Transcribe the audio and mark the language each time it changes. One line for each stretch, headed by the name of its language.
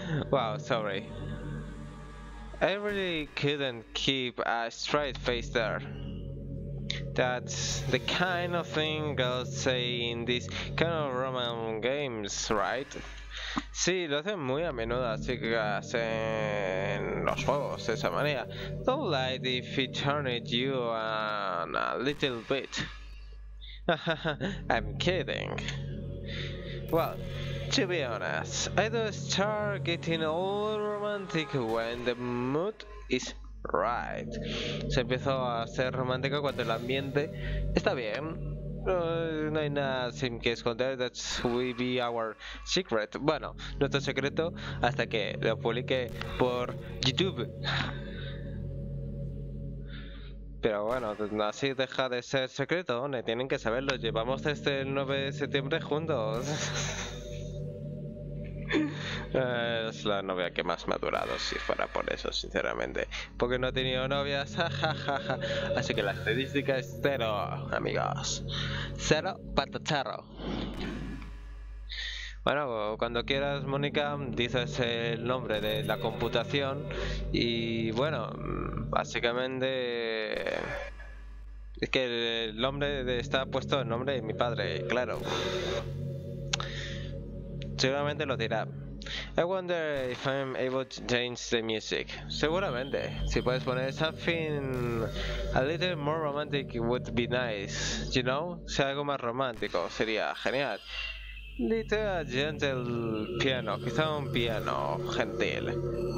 English: Wow, sorry. I really couldn't keep a straight face there. That's the kind of thing girls say in these kind of Roman games, right?
Spanish: Sí, lo hacen muy a menudo, así que hacen los juegos de esa manera.
English: Don't lie if it turned you on a little bit. I'm kidding. Well, to be honest, I do start getting all romantic when the mood is right.
Spanish: Se empezó a ser romántico cuando el ambiente está bien. No hay nada sin que esconder,
English: that will be our secret.
Spanish: Bueno, nuestro secreto hasta que lo publique por YouTube. Pero bueno, así deja de ser secreto, ¿no? Tienen que saberlo, llevamos desde el 9 de septiembre juntos. Es la novia que más me ha durado, si fuera por eso, sinceramente. Porque no he tenido novias, jajajaja. Así que la estadística es cero, amigos. Cero patacharro. Bueno, cuando quieras, Mónica, dices el nombre de la computación. Y bueno, básicamente... Es que el nombre está puesto en nombre de mi padre, claro. Seguramente lo dirá.
English: I wonder if I'm able to change the music.
Spanish: Seguramente. Si puedes poner
English: something a little more romantic, it would be nice. You know?
Spanish: Si algo más romántico, sería genial.
English: Little gentle piano,
Spanish: quizá un piano gentil.